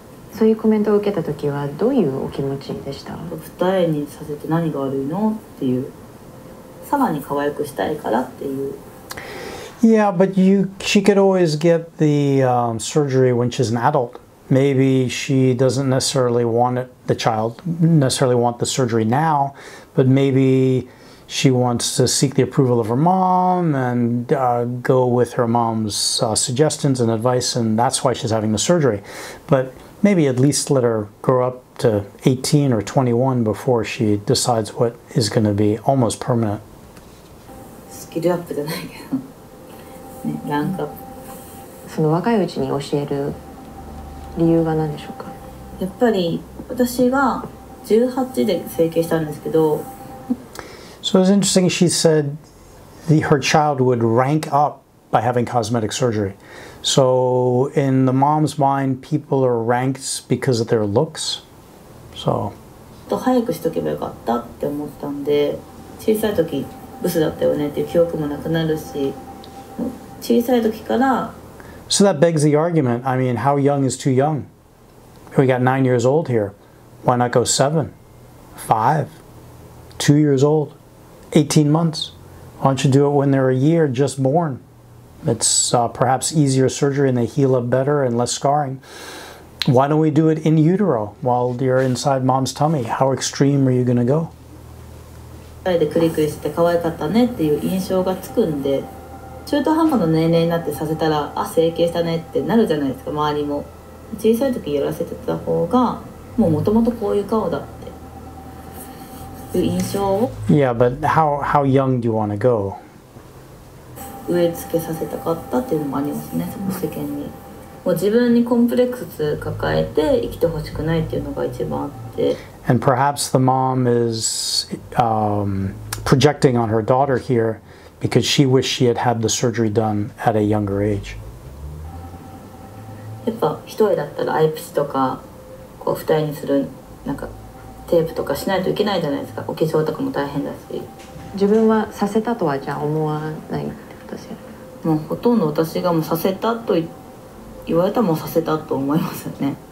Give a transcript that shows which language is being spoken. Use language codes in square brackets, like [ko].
[ja] そういうコメントを受けた時はどういうお気持ちでした？二重にさせて何が悪いのっていう、さらに可愛くしたいからっていう。 [en] Yeah, but she could always get the surgery when she's an adult. Maybe she doesn't necessarily want it, the child necessarily want the surgery now, but maybe she wants to seek the approval of her mom and go with her mom's suggestions and advice, and that's why she's having the surgery. But maybe at least let her grow up to 18 or 21 before she decides what is going to be almost permanent. Skill up, but not. [ja] その若いうちに教える理由は何でしょうか。やっぱり私が18で整形したんですけど。 [en] So it's interesting, she said her child would rank up by having cosmetic surgery. So in the mom's mind, people are ranked because of their looks. So. [ja] 早くしとけばよかったって思ったんで、小さい時ブスだったよねっていう記憶もなくなるし、小さい時から。 [en] So that begs the argument. I mean, how young is too young? We got 9 years old here. Why not go 7, 5, 2 years old? 18 months. Why don't you do it when they're a year just born? It's perhaps easier surgery and they heal up better and less scarring. Why don't we do it in utero while you're inside mom's tummy? How extreme are you going to go? [ja] 二人でクリクリしてて可愛かったねっていう印象がつくんで、中途半端な年齢になってさせたら、あ、整形したねってなるじゃないですか、周りも。小さい時やらせてた方が、もう元々こういう顔だっていう印象を。 [en] Yeah, but how young do you want to go? [ja] 植え付けさせたかったっていうのもありますね、その世間に。もう自分にコンプレックス抱えて生きてほしくないっていうのが一番あって。 [en] And perhaps the mom is projecting on her daughter here because she wished she had had the surgery done at a younger age. [ja] やっぱ一人だったらアイプチとかこう二重にするなんかテープとかしないといけないじゃないですか。お化粧とかも大変だし。自分はさせたとはじゃあ思わないってことですよね。もうほとんど私がもうさせたと言われたらもうさせたと思いますよね。